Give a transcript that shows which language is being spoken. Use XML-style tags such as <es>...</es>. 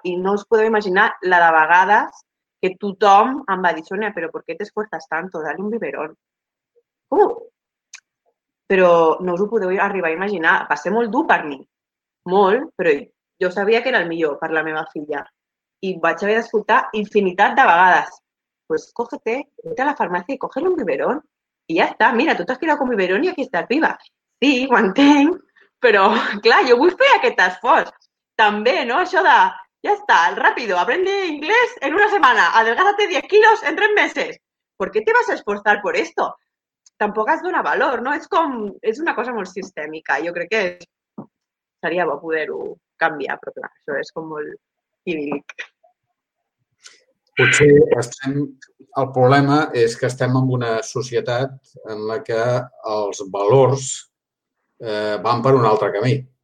<ca>I no us podeu imaginar la de vegades que tothom em va dir, Sonia, però per què t'esforces tanto?</ca> <es>Dale un biberón.</es> <ca>Però no us ho podeu arribar a imaginar. Va ser molt dur per mi. Molt. Però jo sabia que era el millor per la meva filla. I vaig haver d'escoltar infinitat de vegades.</ca> <es>Pues cógete, vete a la farmacia y cógele un biberón y ya está. Mira, tú te has quedado con biberón y aquí estás viva.</es> <ca>Sí, ho entenc, però clar, jo vull fer aquest esforç. També, no? Això de, ja està,</ca> <es>ràpido, aprende inglés en una</es> <ca>setmana,</ca> <es>adelgázate 10 kilos en 3 meses. ¿Por qué te vas a esforzar por esto?</es> <ca>Tampoc has donat valor, no? És com, és una cosa molt sistèmica. Jo crec que seria bo poder-ho canviar, però clar, això és com molt idíl·lic. Potser estem, el problema és que estem en una societat en la que els valors van per un altre camí.</ca>